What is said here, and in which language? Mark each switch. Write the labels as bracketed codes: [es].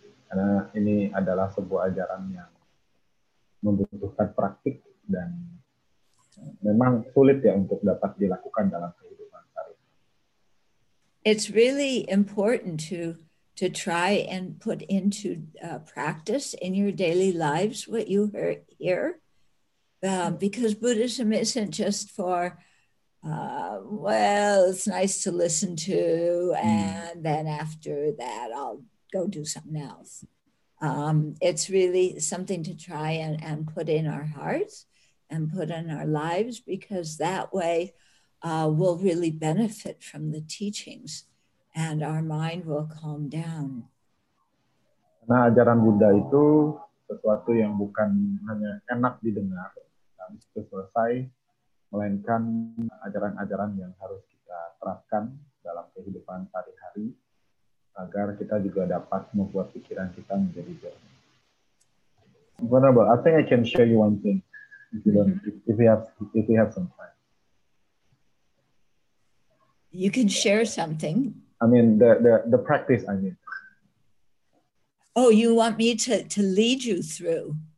[id] Karena ini adalah sebuah ajaran yang membutuhkan praktik dan memang sulit ya untuk dapat dilakukan dalam kehidupan sehari-hari. [en] It's really important to try and put into practice in your daily lives what you hear, because Buddhism isn't just for, well, it's nice to listen to, and then after that, I'll go do something else. It's really something to try and put in our hearts and put in our lives, because that way we'll really benefit from the teachings and our mind will calm down. [id] Karena ajaran Buddha itu sesuatu yang bukan hanya enak didengar dan itu selesai, melainkan ajaran-ajaran yang harus kita terapkan dalam kehidupan sehari-hari agar kita juga dapat membuat pikiran kita menjadi jernih. [en] Vulnerable, I think I can show you one thing if you don't, if you have some time. You can share something. I mean the practice, I mean. Oh, you want me to lead you through?